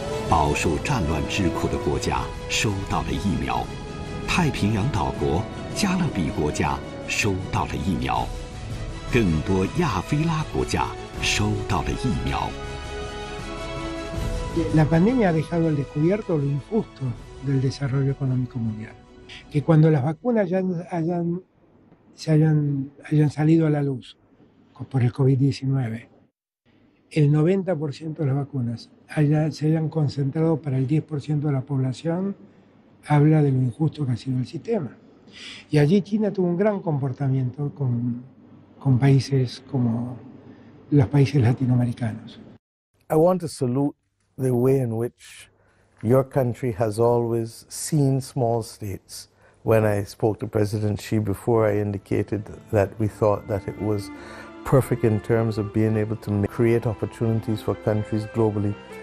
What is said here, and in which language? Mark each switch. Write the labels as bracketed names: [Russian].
[Chinese] 饱受战乱之苦的国家收到了疫苗，太平洋岛国、加勒比国家收到了疫苗，更多亚非拉国家收到了疫苗。 [Spanish] La pandemia ha dejado al descubierto lo injusto del desarrollo económico mundial, que cuando las vacunas ya hayan salido a la luz por el COVID-19, el 90% de las vacunas se hayan concentrado para el 10% de la población, habla de lo injusto que ha sido el sistema. Y allí China tuvo un gran comportamiento con países como los países latinoamericanos. [English] I want to salute the way in which your country has always seen small states. When I spoke to President Xi before, I indicated that we thought that it was perfect in terms of being able to create opportunities for countries globally.